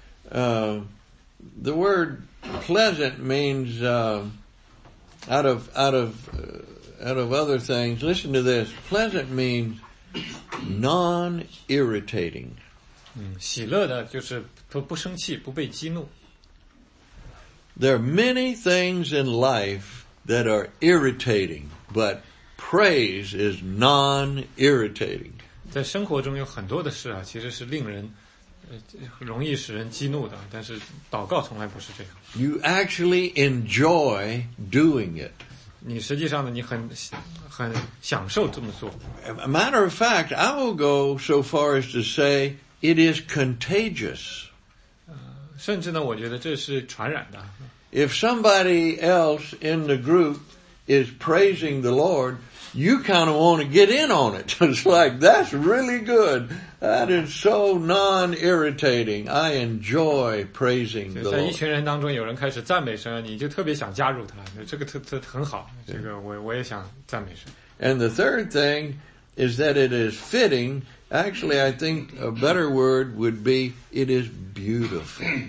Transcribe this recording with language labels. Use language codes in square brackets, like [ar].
[en] Okay. The word pleasant means out of other things. Listen to this. Pleasant means non-irritating. [zh] 喜乐的就是不生气，不被激怒。 [en] There are many things in life that are irritating, but praise is non-irritating. [zh] 在生活中有很多的事啊，其实是令人容易使人激怒的，但是祷告从来不是这样。 [en] You actually enjoy doing it. [zh] 你实际上呢，你很享受这么做。 [en] A matter of fact, I will go so far as to say it is contagious. [zh] 甚至呢，我觉得这是传染的。 [en] If somebody else in the group is praising the Lord, you kind of want to get in on it. It's like, that's really good. That is so non-irritating. I enjoy praising the Lord. [zh] 在一群人当中有人开始赞美神，你就特别想加入他。这个很好，这个我也想赞美神。 [en] And the third thing is that it is fitting. Actually, I think a better word would be it is beautiful.